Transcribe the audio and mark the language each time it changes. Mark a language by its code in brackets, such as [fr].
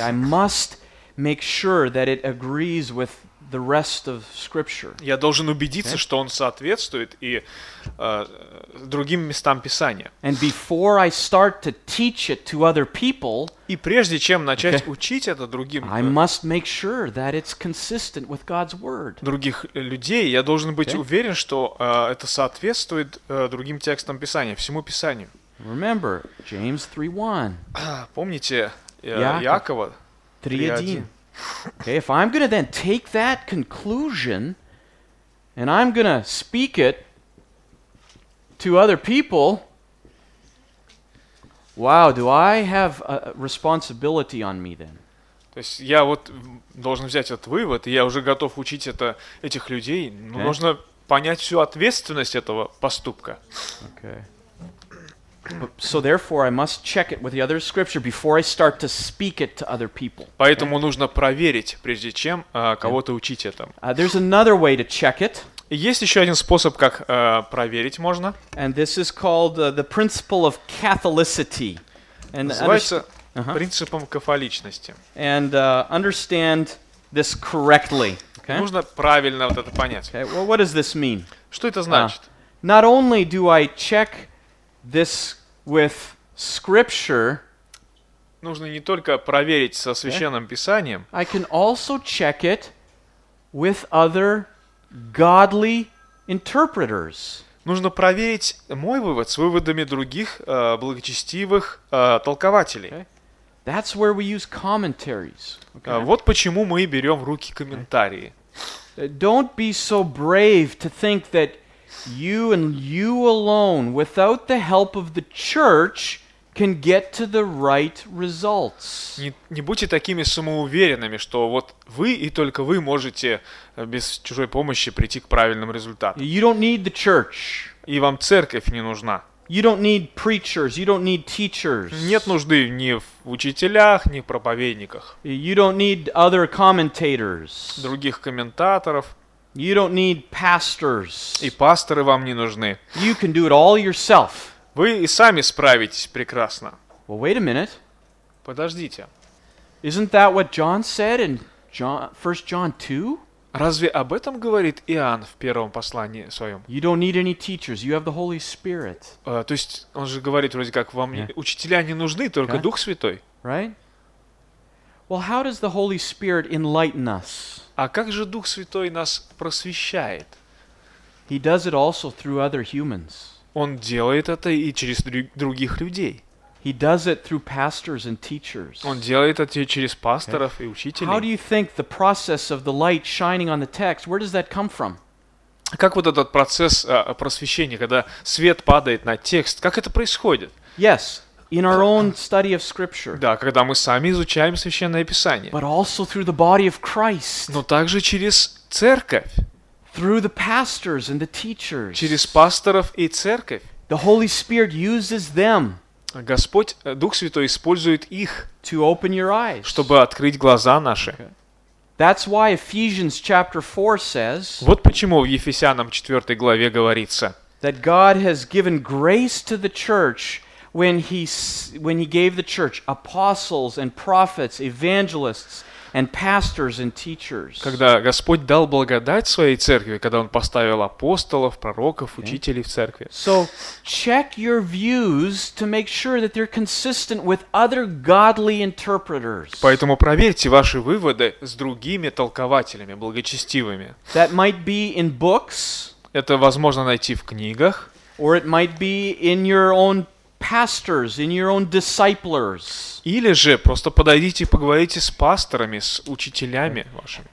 [en] I must make sure that it agrees with the rest of Scripture. [ru] Я должен убедиться, что он соответствует и другим местам Писания. [en] And before I start to teach it to other people, [ru] и прежде чем начать учить это другим, [en] I must make sure that it's consistent with God's Word. [ru] Других людей я должен быть уверен, что это соответствует другим текстам Писания, всему Писанию. [en] Remember James 3:1. [ru] Помните Иакова 3:1. [en] Okay, if I'm going to then take that conclusion and I'm going to speak it to other people, wow, do I have a responsibility on me then? [ru] То есть я вот должен взять этот вывод, и я уже готов учить это этих людей, но нужно понять всю ответственность этого поступка. [en] Okay. So therefore, I must check it with the other scripture before I start to speak it to other people. [ru] Поэтому нужно проверить, прежде чем кого-то учить этому. [en] There's another way to check it. [ru] Есть еще один способ, как проверить можно. [en] And this is called the principle of catholicity. [ru] Называется принципом кафоличности. [en] And understand this correctly. Okay? [ru] Нужно правильно вот это понять. [en] Okay. Well, what does this mean? [ru] Что это значит? [en] Not only do I check this with scripture, [ru] нужно не только проверить со священным писанием, [en] I can also check it with other godly interpreters. [ru] Нужно проверить мой вывод с выводами других благочестивых толкователей. [en] That's where we use commentaries. [ru] Вот почему мы берем в руки комментарии. [en] Don't be so brave to think that you and you alone, without the help of the church, can get to the right results. [ru] Не будьте такими самоуверенными, что вот вы и только вы можете без чужой помощи прийти к правильным результатам. [en] You don't need the church. [ru] И вам церковь не нужна. [en] You don't need preachers, you don't need teachers. [ru] Нет нужды ни в учителях, ни в проповедниках. [en] You don't need other commentators. [ru] Других комментаторов. [en] You don't need pastors. [ru] И пасторы вам не нужны. [en] You can do it all yourself. [ru] Вы и сами справитесь прекрасно. [en] Well, wait a minute. [ru] Подождите. [en] Isn't that what John said in John, 1 John 2? [ru] Разве об этом говорит Иоанн в первом послании своем? [en] You don't need any teachers. You have the Holy Spirit. [ru] То есть он же говорит вроде как вам учителя не нужны, только Дух Святой. [en] Right? Well, how does the Holy Spirit enlighten us? [ru] А как же Дух Святой нас просвещает? [en] He does it also through other humans. [ru] Он делает это и через других людей. [en] He does it through pastors and teachers. [ru] Он делает это через пасторов и учителей. [en] How do you think the process of the light shining on the text, where does that come from? [ru] Как вот этот процесс просвещения, когда свет падает на текст, как это происходит? [en] Yes. In our own study of Scripture. [ru] Да, когда мы сами изучаем Священное Писание. [en] But also through the body of Christ. [ru] Но также через церковь. [en] Through the pastors and the teachers. [ru] Через пасторов и церковь. [en] The Holy Spirit uses them. [ru] Господь, Дух Святой использует их. [en] To open your eyes. [ru] Чтобы открыть глаза наши. [en] Okay. That's why Ephesians chapter 4 says. [ru] Вот почему в Ефесянам 4 главе говорится. [en] That God has given grace to the church. When he gave the church apostles and prophets, evangelists and pastors and teachers. [ru] Когда Господь дал благодать своей церкви, когда он поставил апостолов, пророков, учителей в церкви. [en] So check your views to make sure that they're consistent with other godly interpreters. [ru] Поэтому проверьте ваши выводы с другими толкователями благочестивыми. [en] That might be in books. [ru] Это возможно найти в книгах. [en] Or it might be in your own pastors, in your own disciples. [ru] Или же просто подойдите и поговорите с пасторами, с учителями вашими.